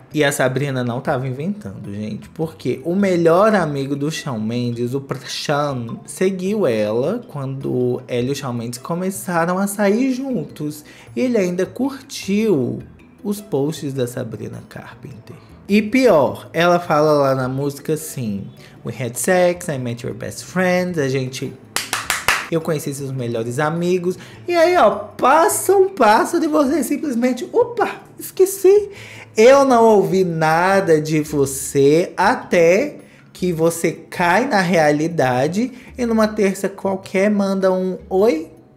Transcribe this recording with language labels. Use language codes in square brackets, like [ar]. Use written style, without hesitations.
[pt] E a Sabrina não tava inventando, gente. Porque o melhor amigo do Shawn Mendes, o Prashan, seguiu ela quando ela e o Shawn Mendes começaram a sair juntos. E ele ainda curtiu os posts da Sabrina Carpenter. E pior, ela fala lá na música assim... [en] We had sex, I met your best friend, [pt] a gente... Eu conheci seus melhores amigos. E aí, ó, passa um passo de você simplesmente... Opa, esqueci. Eu não ouvi nada de você até que você cai na realidade e numa terça qualquer manda um oi.